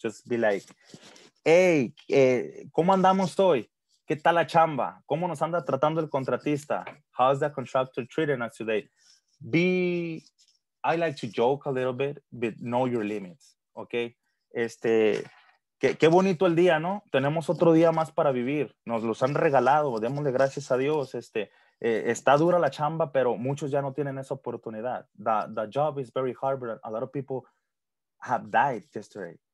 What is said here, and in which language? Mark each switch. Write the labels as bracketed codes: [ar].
[en] Just be like, hey, [es] ¿cómo andamos hoy? ¿Qué tal la chamba? ¿Cómo nos anda tratando el contratista? [en] How's the contractor treating us today? I like to joke a little bit, but know your limits, okay? [es] Qué bonito el día, ¿no? Tenemos otro día más para vivir. Nos los han regalado, démosle gracias a Dios. Está dura la chamba, pero muchos ya no tienen esa oportunidad. [en] The job is very hard, but a lot of people have died yesterday.